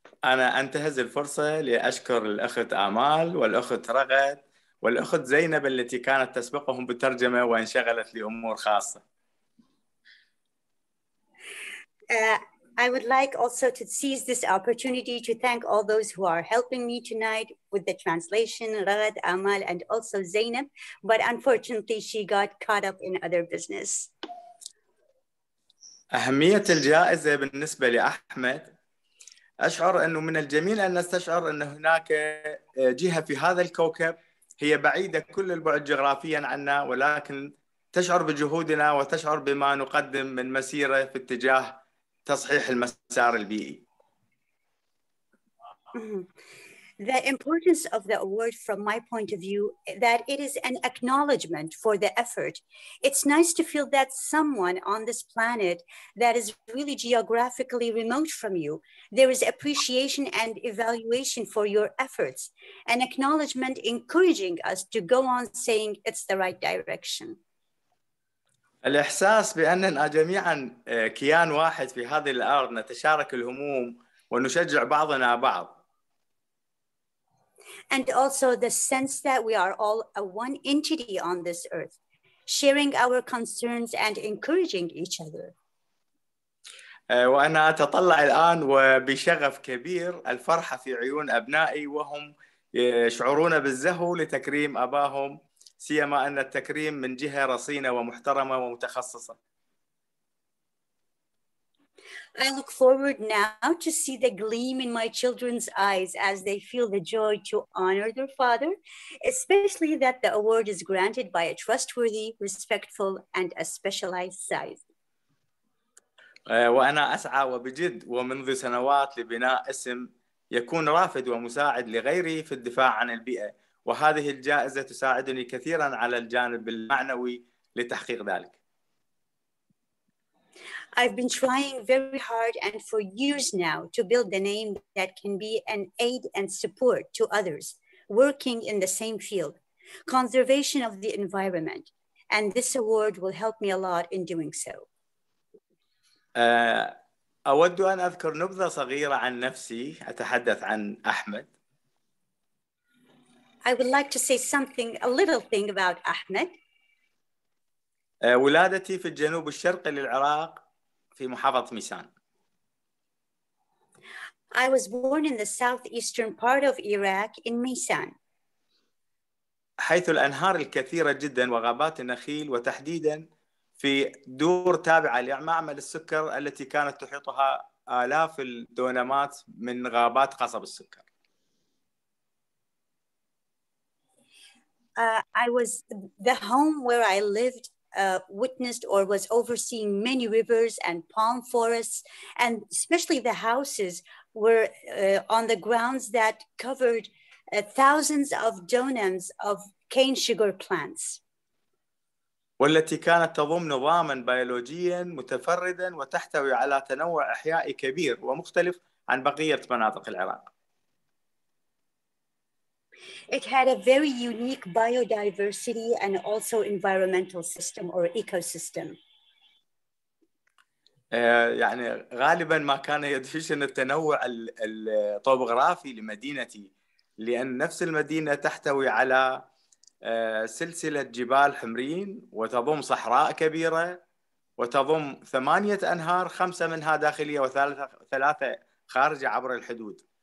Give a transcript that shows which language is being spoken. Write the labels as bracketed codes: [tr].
[ar] أنا أنتهز الفرصة لأشكر الأخت آمال والأخت رغد والأخت زينب التي كانت تسبقهم بالترجمة وانشغلت لأمور خاصة. [en] I would like also to seize this opportunity to thank all those who are helping me tonight with the translation, Raghad, Amal, and also Zainab, but unfortunately she got caught up in other business. [ar] أهمية الجائزة بالنسبة لأحمد, أشعر أنه من الجميل أن نستشعر أن هناك جهة في هذا الكوكب هي بعيدة كل البعد جغرافياً عنا, ولكن تشعر بجهودنا وتشعر بما نقدم من مسيرة في اتجاه تصحيح المسار البيئي. [en] The importance of the award, from my point of view, that it is an acknowledgement for the effort. It's nice to feel that someone on this planet that is really geographically remote from you, there is appreciation and evaluation for your efforts, an acknowledgement encouraging us to go on saying it's the right direction. [ar] الإحساس بأننا جميعاً كيان واحد في هذه الأرض نتشارك الهموم ونشجع بعضنا بعض. [en] And also the sense that we are all a one entity on this earth, sharing our concerns and encouraging each other. [ar] وأنا أتطلع الآن وبشغف كبير الفرحة في عيون أبنائي وهم يشعرون بالزهو لتكريم أباهم. سيما أن التكريم من جهة رصينة ومحترمة ومتخصصة. [en] I look forward now to see the gleam in my children's eyes as they feel the joy to honor their father, especially that the award is granted by a trustworthy, respectful, and a specialized size. [ar] وأنا أسعى وبجد ومنذ سنوات لبناء اسم يكون رافد ومساعد لغيري في الدفاع عن البيئة. وهذه الجائزة تساعدني كثيراً على الجانب المعنوي لتحقيق ذلك. [en] I've been trying very hard and for years now to build a name that can be an aid and support to others working in the same field, conservation of the environment, and this award will help me a lot in doing so. [ar] أود أن أذكر نبذة صغيرة عن نفسي، أتحدث عن أحمد. [en] I would like to say something, a little thing about Ahmed. [ar] ولادتي في الجنوب الشرقي للعراق في محافظة ميسان. [en] I was born in the southeastern part of Iraq in Misan. [ar] حيث الأنهار الكثيرة جدا وغابات النخيل وتحديدا في دور تابعة لمعمل السكر التي كانت تحيطها آلاف الدونمات من غابات قصب السكر. [en] I was the home where I lived, witnessed or was overseeing many rivers and palm forests, and especially the houses were on the grounds that covered thousands of donums of cane sugar plants. [ar] والتي كانت تضم نظاما بيولوجيا متفردا وتحتوي على تنوع أحيائي كبير ومختلف عن بقية مناطق العراق. [en] It had a very unique biodiversity and also environmental system or ecosystem. [ar] يعني غالبا ما كان يدهشن التنوع الطبوغرافي لمدينتي لأن نفس المدينة تحتوي على سلسلة جبال حمرين وتضم صحراء كبيرة وتضم ثمانية أنهار خمسة منها داخلية وثلاثة خارجة عبر الحدود.